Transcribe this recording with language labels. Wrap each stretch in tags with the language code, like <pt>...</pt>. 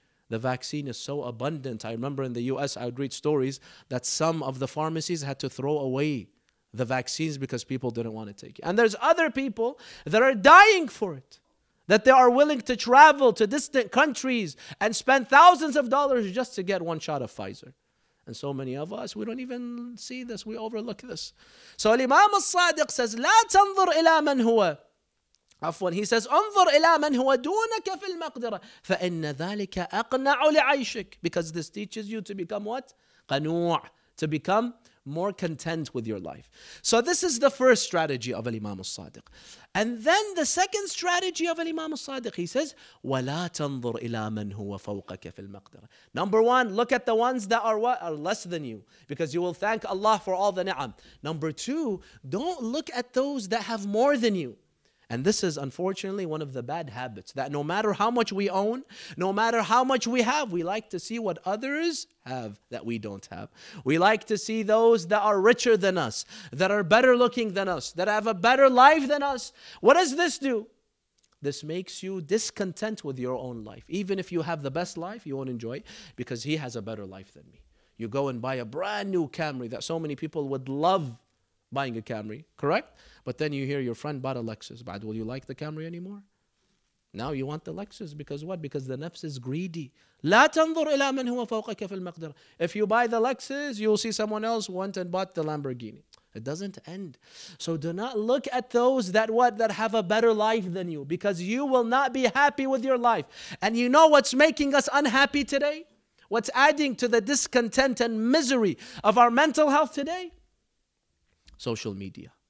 <en>The vaccine is so abundant. I remember in the US, I would read stories that some of the pharmacies had to throw away the vaccines because people didn't want to take it. And there's other people that are dying for it, that they are willing to travel to distant countries and spend thousands of dollars just to get one shot of Pfizer. And so many of us, we don't even see this, we overlook this. So Imam al-Sadiq says,</en> <ar>لا تنظر إلى من هو. Afwan,</ar> <en>he says,</en> <ar>انظر إلى من هو دونك في المقدرة فإن ذلك أقنع لعيشك.</ar> <en>Because this teaches you to become what?</en> <ar>قنوع.</ar> <en>To become more content with your life. So this is the first strategy of Imam al-Sadiq. And then the second strategy of Imam al-Sadiq, he says,</en> <ar>وَلَا تَنظُرْ إِلَى مَنْ هُوَ فَوْقَكَ فِي الْمَقْدِرَ.</ar> <en>Number one, look at the ones that are what? Are less than you. Because you will thank Allah for all the ni'am. Number two, don't look at those that have more than you. And this is unfortunately one of the bad habits, that no matter how much we own, no matter how much we have, we like to see what others have that we don't have. We like to see those that are richer than us, that are better looking than us, that have a better life than us. What does this do? This makes you discontent with your own life. Even if you have the best life, you won't enjoy it because he has a better life than me. You go and buy a brand new Camry that so many people would love buying a Camry, correct? But then you hear your friend bought a Lexus. But will you like the Camry anymore? Now you want the Lexus because what? Because the nafs is greedy.</en> <ar>لا تنظر إلى من هو فوقك في المقدرة.</ar> <en>If you buy the Lexus, you'll see someone else went and bought the Lamborghini. It doesn't end. So do not look at those that what? That have a better life than you, because you will not be happy with your life. And you know what's making us unhappy today? What's adding to the discontent and misery of our mental health today? Social media.</en>